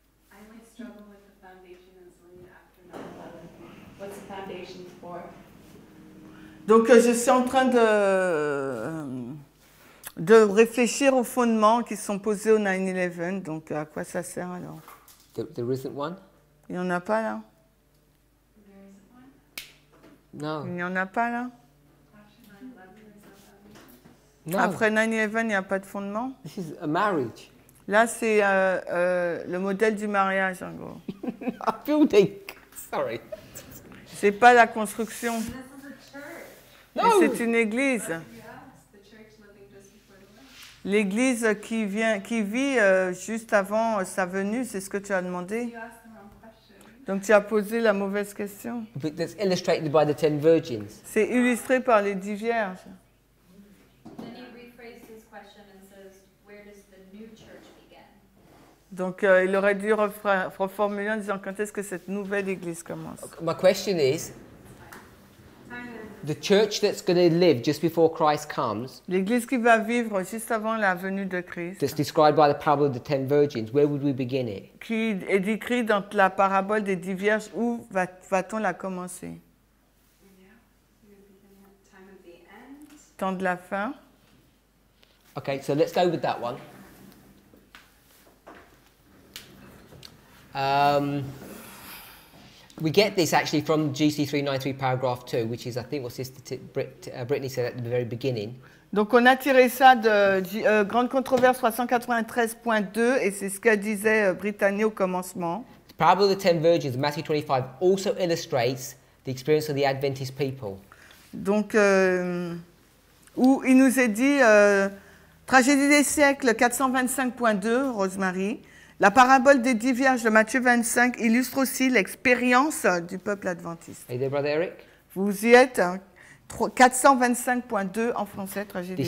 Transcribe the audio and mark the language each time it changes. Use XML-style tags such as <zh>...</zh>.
<en>I might struggle with the foundation and Selena after 9/11. What's the foundation for?</en> <fr>Donc, je suis en train de réfléchir aux fondements qui sont posés au 9/11. Donc, à quoi ça sert alors?</fr> <en>There isn't one?</en> <fr>Il n'y en a pas là? Non. Il n'y en a pas là.</fr> <en>No.</en> <fr>Après 9/11, il n'y a pas de fondement.</fr> <en>This is a marriage.</en> <fr>Là, c'est le modèle du mariage, en gros.</fr> <en>A building. Sorry.</en> <fr>C'est pas la construction.</fr> <en>No.</en> <fr>C'est une église. L'église qui vit juste avant sa venue, c'est ce que tu as demandé. Donc tu as posé la mauvaise question.</fr> <en>But that's illustrated by the 10 virgins.</en> <fr>C'est illustré par les 10 vierges.</fr> <en>Then he rephrases his question and says, where does the new church begin?</en> <fr>Donc il aurait dû reformuler en disant, quand est-ce que cette nouvelle église commence?</fr> <en>Okay, my question is, the church that's going to live just before Christ comes,</en> <fr>l'église qui va vivre juste avant la venue de Christ,</fr> <en>that's described by the parable of the 10 virgins, where would we begin it?</en> <fr>Qui est décrit dans la parabole des 10 vierges, où va-t-on la commencer? Temps de la fin.</fr> <en>Okay, so let's go with that one. We get this actually from GC393 paragraph 2, which is, I think, what Sister Brittany said at the very beginning.</en> <fr>Donc on a tiré ça de Grande Controverse 393.2, et c'est ce que disait Brittany au commencement.</fr> <en>The parable of the Ten Virgins, Matthew 25, also illustrates the experience of the Adventist people.</en> <fr>Donc, où il nous est dit, Tragédie des siècles 425.2, Rosemary. La parabole des 10 vierges de Matthieu 25 illustre aussi l'expérience du peuple adventiste.</fr> <en>Hey there, brother Eric.</en> <fr>Vous y êtes, 425.2 en français, tragédie.</fr>